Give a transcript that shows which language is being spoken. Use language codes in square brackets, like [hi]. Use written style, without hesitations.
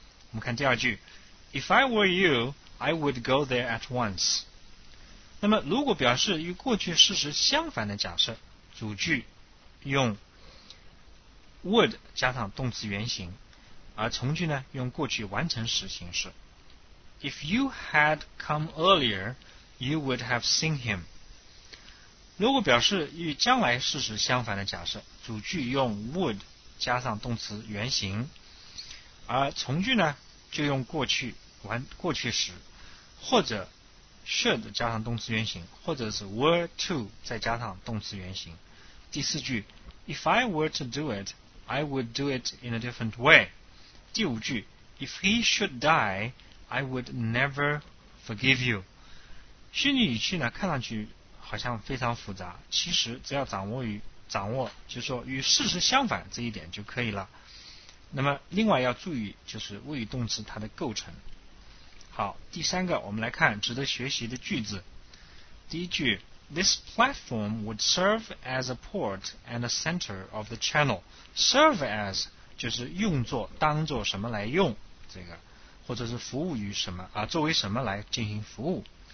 [zh] 我们看第二句 [en] If I were you I would go there at once。 [zh] 那么如果表示与过去事实相反的假设，主句用 would 加上动词原形，而从句呢用过去完成时形式。 [en] If you had come earlier you would have seen him。 [zh] 如果表示与将来事实相反的假设，主句用 would 加上动词原形，而从句呢就用过去时，或者should 加上动词原形，或者是 were to 再加上动词原形。第四句 [en] If I were to do it I would do it in a different way。 [zh] 第五句 [en] If he should die I would never forgive you。 [zh] 虚拟语气呢看上去好像非常复杂，其实只要掌握就是说与事实相反这一点就可以了。那么另外要注意就是谓语动词它的构成。好，第三个我们来看值得学习的句子。第一句 [en] This platform would serve as a port and a center of the channel。 [zh] serve as 就是用作当作什么来用，这个或者是服务于什么作为什么来进行服务。